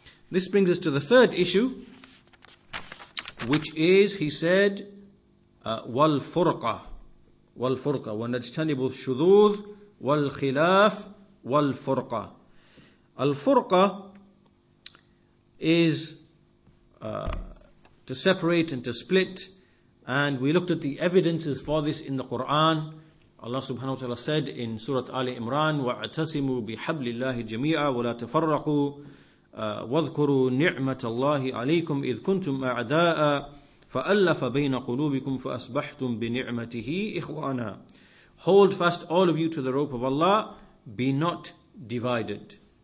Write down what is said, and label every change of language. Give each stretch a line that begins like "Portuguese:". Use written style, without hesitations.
English: This brings us to the third issue, which is, he said,
Arabic: wal-furqa, wa-najtanibu shudud, wal-khilaf, wal-furqa.
English: Al-furqa is to separate and to split, and we looked at the evidences for this in the Quran. Allah subhanahu wa ta'ala said in Surah Ali Imran,
Arabic: وَعْتَسِمُوا بِحَبْلِ اللَّهِ جَمِيعًا وَلَا تَفَرَّقُوا وَاذْكُرُوا نِعْمَةَ اللَّهِ عَلَيْكُمْ إِذْ كُنْتُمْ أَعْدَاءً فَأَلَّفَ بَيْنَ قُلُوبِكُمْ فَأَصْبَحْتُمْ بِنِعْمَتِهِ إِخْوَانًا.
English: Hold fast all of you to the rope of Allah, be not divided.